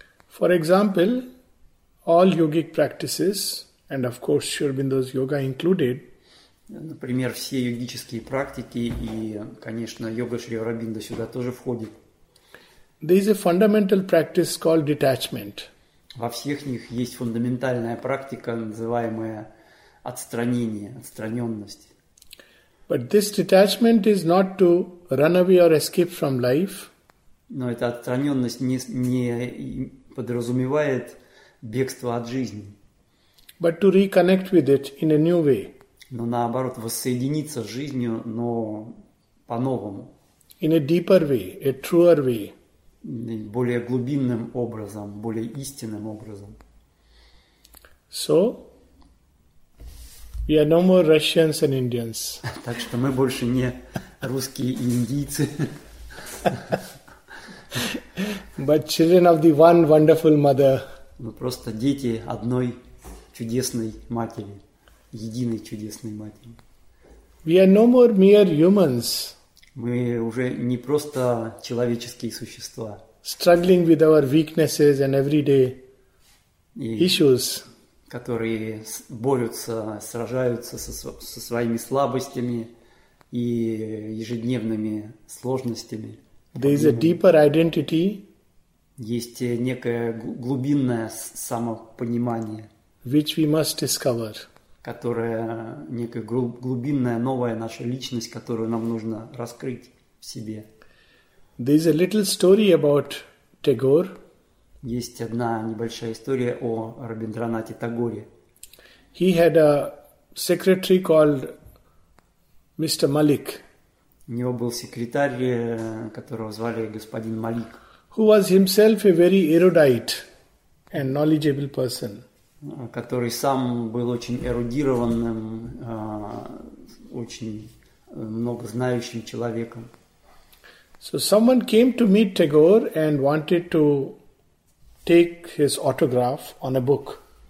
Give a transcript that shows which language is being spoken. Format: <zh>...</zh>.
<en>For example, all yogic practices, and of course Sri Aurobindo's yoga included.</en> <ru>Например, все йогические практики, и, конечно, йога Шри Аурабинда сюда тоже входит.</ru> <en>There is a fundamental practice called detachment.</en> <ru>Во всех них есть фундаментальная практика, называемая отстранение, отстраненность.</ru> <en>But this detachment is not to run away or escape from life.</en> <ru>Но эта отстраненность не подразумевает бегство от жизни.</ru> <en>But to reconnect with it in a new way.</en> <ru>Но наоборот, воссоединиться с жизнью, но по-новому.</ru> <en>In a deeper way, a truer way.</en> <ru>Более глубинным образом, более истинным образом.</ru> <en>So, we are no more Russians and Indians.</en> <ru>Так что мы больше не русские и индийцы.</ru> <en>But children of the one wonderful mother.</en> <ru>Мы просто дети одной чудесной матери. Единой чудесной матери.</ru> <en>We are no more mere humans.</en> <ru>Мы уже не просто человеческие существа.</ru> <en>Struggling with our weaknesses and everyday issues.</en> <ru>Которые борются, сражаются со своими слабостями и ежедневными сложностями.</ru> <en>There is a deeper identity.</en> <ru>Есть некое глубинное самопонимание.</ru> <en>Which we must discover.</en> <ru>Которая некая глубинная новая наша личность, которую нам нужно раскрыть в себе.</ru> <en>There is a little story about Tagore.</en> <ru>Есть одна небольшая история о Рабиндранате Тагоре.</ru> <en>He had a secretary called Mr. Malik.</en> <ru>У него был секретарь, которого звали господин Малик.</ru> <en>Who was himself a very erudite and knowledgeable person.</en> <ru>Который сам был очень эрудированным, очень многознающим человеком.</ru> <en>So someone came to meet Tagore and wanted to take his autograph on a book.</en>